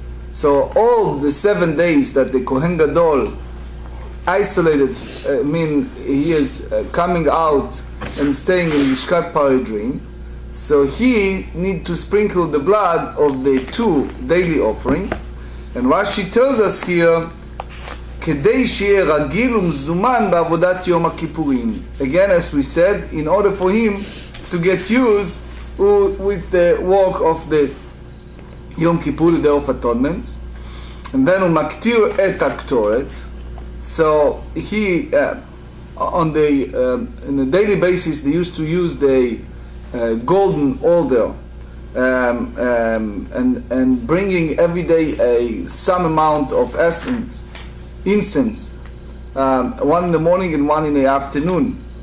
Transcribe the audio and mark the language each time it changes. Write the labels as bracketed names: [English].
[English] So all the 7 days that the Kohen Gadol isolated, he is coming out and staying in Mishkat Paridrin. So he need to sprinkle the blood of the two daily offering. And Rashi tells us here, [Hebrew] כדי שיהיה רגיל ומזומן בעבודת יום הכיפורים. [English] Again, as we said, in order for him to get used with the work of the Yom Kippur, the Day of Atonement. And then [Hebrew] הוא מקטיר את הקטורת. [English] So he, on a daily basis, they used to use the golden altar and bringing every day some amount of essence. Incense, one in the morning and one in the afternoon.